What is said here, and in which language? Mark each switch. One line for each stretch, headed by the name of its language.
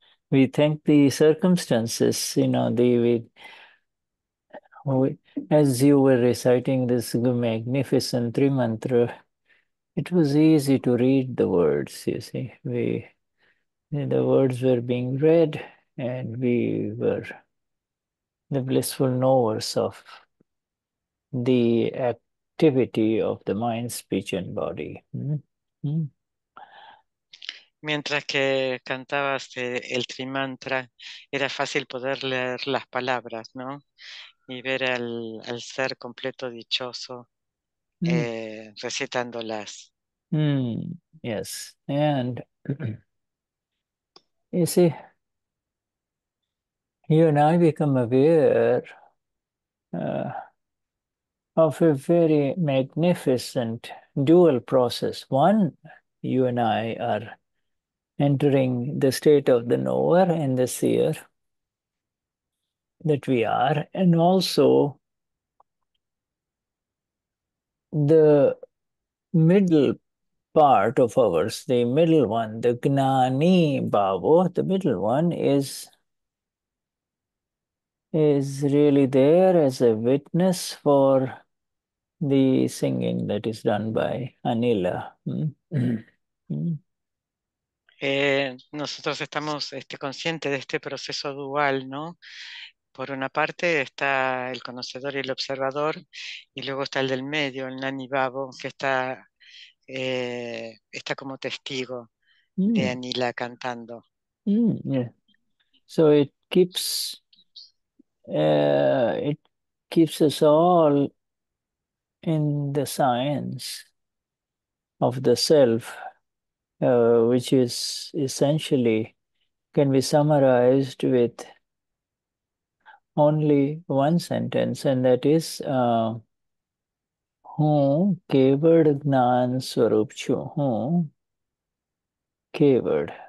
English: we thank the circumstances, you know, as you were reciting this magnificent three mantra, it was easy to read the words, you see. The words were being read, and we were the blissful knowers of the activity of the mind, speech, and body.
Spanish: Mientras que cantabas el trimantra, era fácil poder leer las palabras, ¿no? Y ver al ser completo dichoso recitándolas.
English: Yes, and you see, you and I become aware of a very magnificent dual process. One, you and I are entering the state of the knower and the seer that we are, and also the middle part of ours, the middle one, the Gnani Bhavo, the middle one is really there as a witness for the singing that is done by Anila.
Spanish: Nosotros estamos conscientes de este proceso dual, ¿no? Por una parte está el conocedor y el observador, y luego está el del medio, el Nanibabo, que está como testigo de Anila cantando.
English: So it keeps us all in the science of the self, which is essentially can be summarized with only one sentence, and that is
Gujarati: hum keval gnan swarup chu, hum keval.